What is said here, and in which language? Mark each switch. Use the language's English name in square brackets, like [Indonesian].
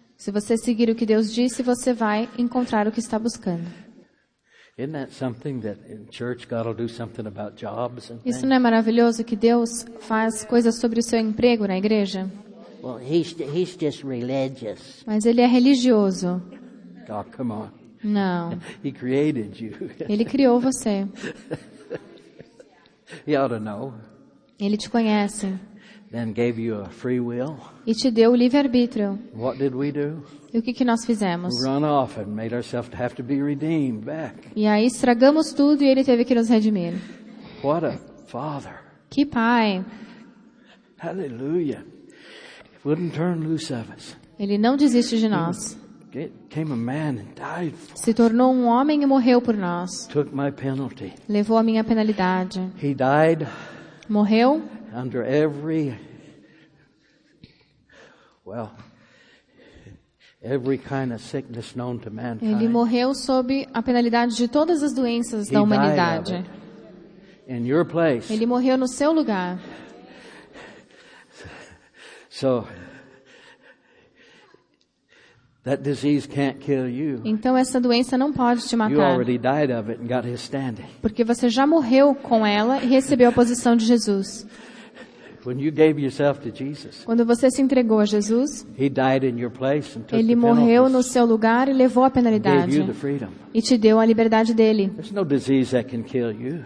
[Portuguese] Se você seguir o que Deus disse, você vai encontrar o que está buscando. [English] Isn't that something that in church God will do something about jobs and things? [Portuguese] Isso não é maravilhoso que Deus faz coisas sobre o seu emprego na igreja? [English] Well, he's just religious. [Portuguese] Mas ele é religioso. [English] Oh, come on. [Portuguese] Não. [English] He created you. [Portuguese] Ele criou você. [English] He ought to know. [Portuguese] Ele te conhece. [English] Then gave you a free will. [Portuguese] E te deu o livre-arbítrio. [English] What did we do? [Portuguese] E o que nós fizemos? [English] Run off and made ourselves have to be redeemed back. [Portuguese] E aí estragamos tudo e ele teve que nos redimir. [English] What a father. [Portuguese] Que pai. [English] Hallelujah. He wouldn't turn loose of us. [Portuguese] Ele não desiste de nós. [English] Came a man and died for us. [Portuguese] Se tornou homem e morreu por nós. [English] Took my penalty. [Portuguese] Levou a minha penalidade. [English] He died. [Portuguese] Morreu. [English] Under every, well, every kind of sickness known to mankind. [Portuguese] Ele morreu sob a penalidade de todas as doenças da humanidade. [English] In your place. [Portuguese] Ele morreu no seu lugar. [English] So, That disease can't kill you. [Portuguese] Então essa doença não pode te matar. [English] You already died of it and got his standing. [Portuguese] Porque você já morreu com ela e recebeu a posição de Jesus. [English] When you gave yourself to Jesus, [Portuguese] quando você se entregou a Jesus, [English] he died in your place and took [Portuguese] ele morreu no seu lugar e levou a penalidade. [English] Gave you the freedom. [Portuguese] E te deu a liberdade dele. [English] There's no disease that can kill you.